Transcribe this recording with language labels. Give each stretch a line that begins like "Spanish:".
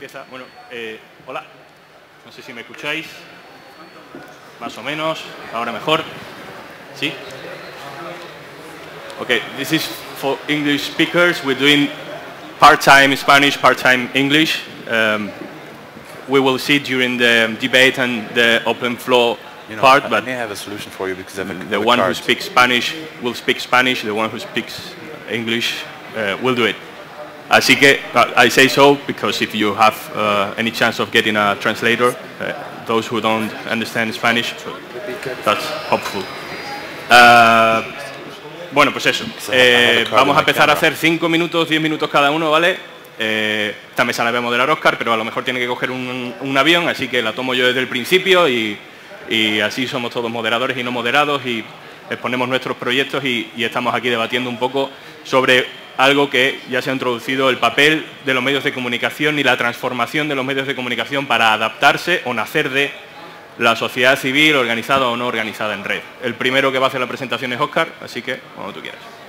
Spanish: Bueno, hola, no sé si me escucháis, más o menos, ahora mejor, ¿sí?
English: Ok, this is for English speakers, we're doing part-time Spanish, part-time English. We will see during the debate and the open floor, you know, part, but I may have a solution for you because I have a the one card. Who speaks Spanish will speak Spanish, the one who speaks English will do it.
Spanish: Así que,
English: I say so because if you have any chance of getting a translator, those who don't understand Spanish, so that's helpful.
Spanish: Bueno, pues eso. Vamos a empezar a hacer 5 minutos, 10 minutos cada uno, ¿vale? Esta mesa la voy a moderar Oscar, pero a lo mejor tiene que coger un avión, así que la tomo yo desde el principio, y así somos todos moderadores y no moderados, y exponemos nuestros proyectos y estamos aquí debatiendo un poco sobre algo que ya se ha introducido, el papel de los medios de comunicación y la transformación de los medios de comunicación para adaptarse o nacer de la sociedad civil organizada o no organizada en red. El primero que va a hacer la presentación es Óscar, así que cuando tú quieras.